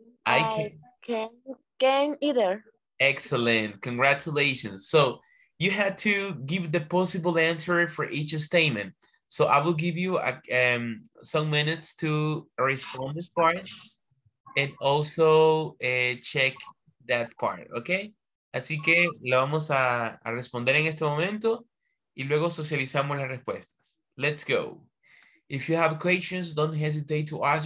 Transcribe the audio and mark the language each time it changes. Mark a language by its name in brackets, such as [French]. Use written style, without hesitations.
[English] I can't either. Excellent. Congratulations. So you had to give the possible answer for each statement. So I will give you some minutes to respond this part and also check that part, okay? [Spanish] Así que lo vamos a responder en este momento y luego socializamos las respuestas. [English] Let's go. If you have questions, don't hesitate to ask.